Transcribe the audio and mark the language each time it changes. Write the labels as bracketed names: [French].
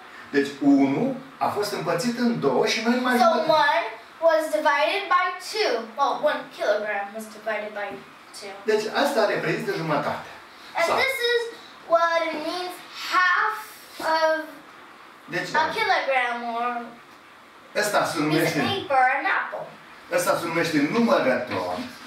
[Romanian] deci 1 a fost împărțit în două și noi mai [English] jumătate. So 1 was divided by 2. Well, 1 kilogram was divided by 2. [Romanian] Deci asta reprezintă jumătate. [English] And so, this is what it means, half of a kilogram or [Romanian] asta se numește [English] paper, an apple. [Romanian] Asta se numește numărător.